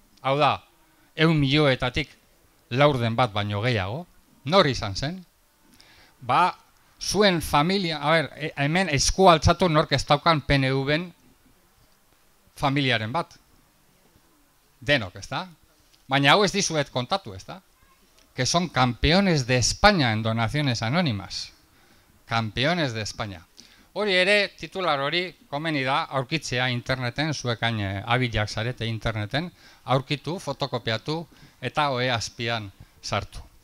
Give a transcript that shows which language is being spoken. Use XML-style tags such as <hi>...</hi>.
<eu>Hau da, 100 milioietatik laurden bat baino gehiago, nor izan zen? Ba, zuen familia, a ber, hemen esku altzatu nork ez daukan PNV-en familiaren bat. Denok, ez da? Baina hau ez dizuet kontatu, ez da?</eu> <es>Que son campeones de España en donaciones anónimas. Campeones de España.</es> <eu>Hori ere, titular hori, komeni da, aurkitzea interneten, zuekain abilak zarete interneten, aurkitu, fotokopiatu, eta ohe azpian sartu.</eu>